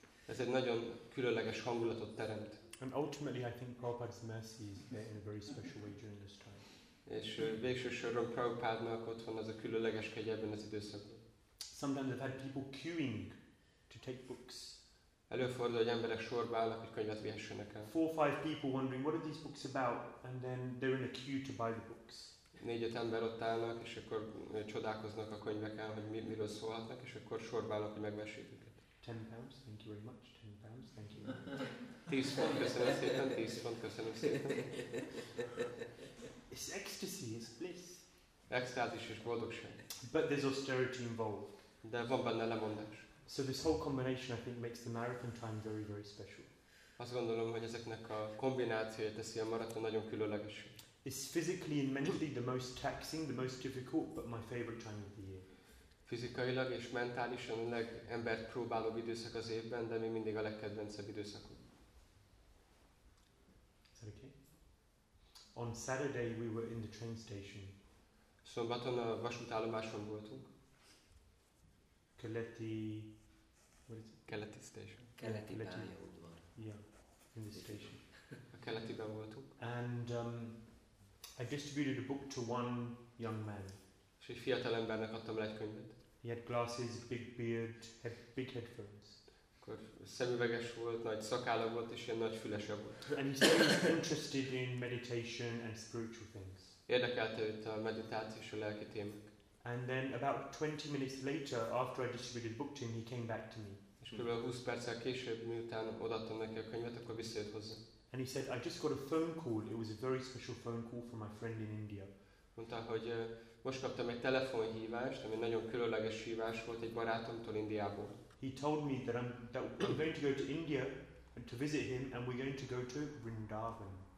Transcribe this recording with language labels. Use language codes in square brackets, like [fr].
[hu] Ez egy nagyon különleges hangulatot teremt. [en] And ultimately, I think Prabhupada's mercy is there in a very special way during this time. [hu] És végső soron Prabhupádnak ott van az a különleges kegyelben az időszakban. [en] Sometimes I've had people queuing to take books. [hu] Előfordul, hogy emberek sorba állnak, hogy könyvet vihessenek el. [en] 4-5 people wondering what are these books about, and then they're in a queue to buy the books. [hu] 4-5 ember ott állnak, és akkor csodálkoznak a könyvekkel, hogy miről szólhatnak, és akkor sorba állnak, hogy megvessék őket. [en] £10, thank you very much, £10, thank you. [hu] 10 font, köszönöm szépen, 10 font, köszönöm szépen. [en] It's ecstasy, it's bliss. [hu] Ecstázis és boldogság. [en] But there's austerity involved. [hu] De van benne lemondás. [en] So this whole combination, I think, makes the marathon time very, very special. [hu] Azt gondolom, hogy ezeknek a kombinációja teszi a maraton nagyon különleges. [en] It's physically and mentally the most taxing, the most difficult, but my favorite time of the year. [hu] Fizikailag és mentálisan a legembert próbáló időszak az évben, de még mindig a legkedvencebb időszakom. [en] Is that okay? On Saturday we were in the train station. [hu] Szombaton a vasútállomáson voltunk. [en] Keleti... What is it? Keleti station. [hu] Keleti pályaudvar. [en] Yeah, in the station. [hu] A keletiben voltunk. [en] And I distributed a book to one young man. [hu] És egy fiatal embernek adtam le egy könyvet. [en] He had glasses, big beard, had big headphones. [hu] Akkor szemüveges volt, nagy szakálla volt, és ilyen nagy fülese volt. [en] And he said he was interested in meditation and spiritual things. [hu] Érdekelte őt a meditáció és a lelki témák. [en] And then about 20 minutes later, after I distributed the book to him, he came back to me. [hu] És kb. 20 perccel később, miután odaadtam neki a könyvet, akkor visszajött hozzá. [en] And he said, I just got a phone call. It was a very special phone call from my friend in India. [hu] Mondta, hogy most kaptam egy telefonhívást, ami nagyon különleges hívás volt egy barátomtól Indiából. [en] He told me that I'm going to go to India to visit him, and we're going to go to Vrindavan.